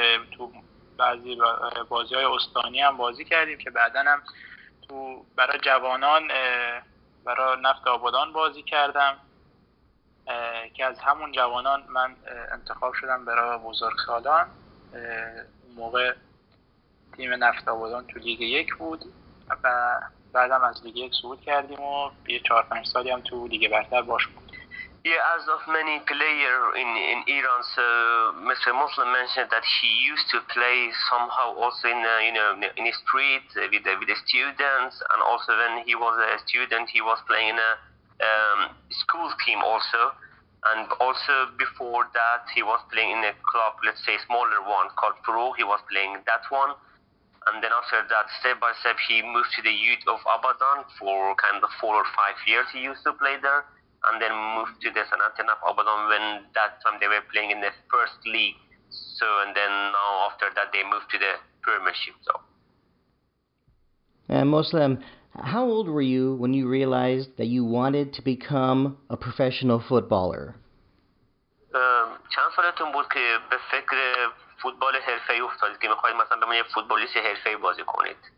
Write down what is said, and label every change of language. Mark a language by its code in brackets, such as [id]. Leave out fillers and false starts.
[fa] تو بعضی بازی‌های استانی هم بازی کردیم که بعدن هم تو برای جوانان برای نفت آبادان بازی کردم که از همون جوانان من انتخاب شدم برای بزرگسالان. موقع تیم نفت آبادان تو لیگ یک بود و بعدم از لیگ یک صعود کردیم و یه 4-5 سالی هم تو لیگ برتر باش بود. [en] Yeah, as of many players in Iran, so Mr. Moslem mentioned that he used to play somehow also in the, you know, in the street with the students, and also when he was a student, he was playing in a school team also, and also before that he was playing in a club, let's say smaller one called Pro. He was playing that one, and then after that, step by step, he moved to the youth of Abadan for kind of 4 or 5 years. He used to play there. And then moved to the Sanat Naft Abadan when that time they were playing in the first league. So, and then now after that they moved to the Premiership. So. And Moslem, how old were you when you realized that you wanted to become a professional footballer? [fa] چند سالتون بود که به فکر فوتبال حرفه‌ای افتادید که می‌خواید مثلا به من یه فوتبالیست حرفه‌ای بازی کنید؟